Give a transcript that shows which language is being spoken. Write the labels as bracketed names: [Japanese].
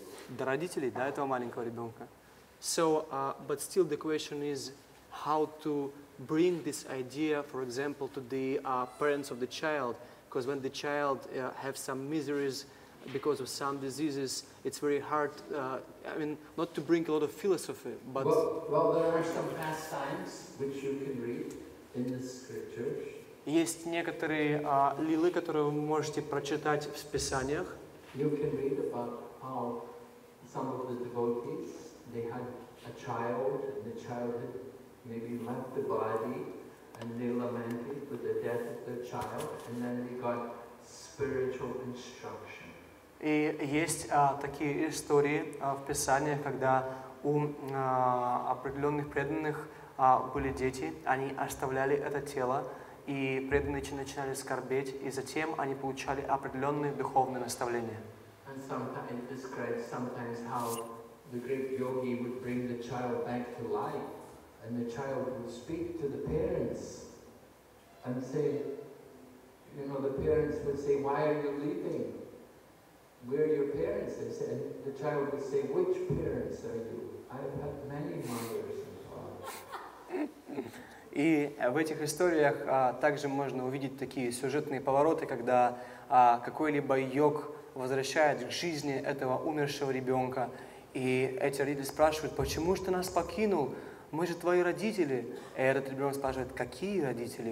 [Russian] До родителей, до этого маленького ребенка. [English] So, but still the question is how to bring this idea, for example, to the parents of the child, because when the child have some miseries because of some diseases, it's very hard, I mean, not to bring a lot of philosophy, but... Well, there are some pastimes which you can read in the scriptures. [Russian] Есть некоторые лилы, которые вы можете прочитать в Писаниях. [English] You can read about how some of the devotees, they had a child, and the child had maybe left the body, and they lamented for the death of their child, and then they got spiritual instruction. [Russian] И есть такие истории в Писаниях, когда у определенных преданных были дети, они оставляли это тело, и преданные начинали скорбеть, и затем они получали определенные духовные наставления. [English] And sometimes it describes sometimes how the great yogi would bring the child back to life, and the child would speak to the parents and say, you know, the parents would say, why are you leaving? Where are your parents? They said, the child would say, which parents are you? I've had many mothers and fathers. [Russian] И в этих историях также можно увидеть такие сюжетные повороты, когда какой-либо йог возвращает к жизни этого умершего ребенка, и эти родители спрашивают, почему же ты нас покинул? Мы же твои родители. И этот ребенок спрашивает, какие родители?